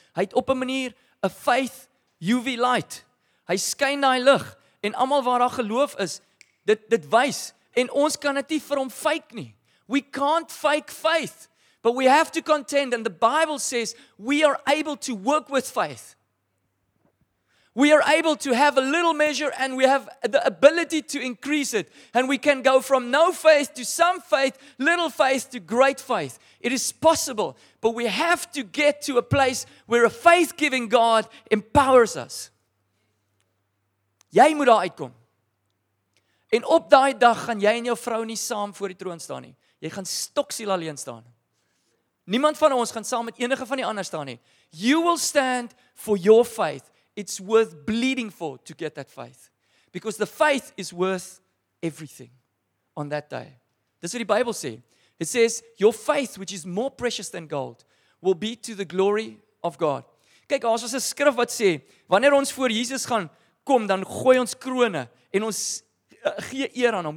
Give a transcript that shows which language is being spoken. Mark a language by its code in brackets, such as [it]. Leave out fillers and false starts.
[af] Hy het op 'n manier 'n faith UV light. Hy skyn daai lig. En almal waar daar geloof is, dit wys. En ons kan dit nie vir hom fake nie. [en] We can't fake faith. But we have to contend. And the Bible says, we are able to work with faith. We are able to have a little measure and we have the ability to increase it. And we can go from no faith to some faith, little faith to great faith. It is possible. But we have to get to a place where a faith-giving God empowers us. [af] Jy moet daar uitkom. En op daai dag gaan jy en jou vrou nie saam voor die troon staan nie. Jy gaan stoksiel alleen staan. Niemand van ons gaan saam met enige van die ander staan nie. [en] You will stand for your faith. It's worth bleeding for to get that faith. Because the faith is worth everything on that day. [af] Dis wat die Bybel sê. [en] It says, your faith, which is more precious than gold, will be to the glory of God. [af] Kyk, ons het 'n skrif wat sê, wanneer ons voor Jesus gaan kom, dan gooi ons krone en ons gee eer aan hom.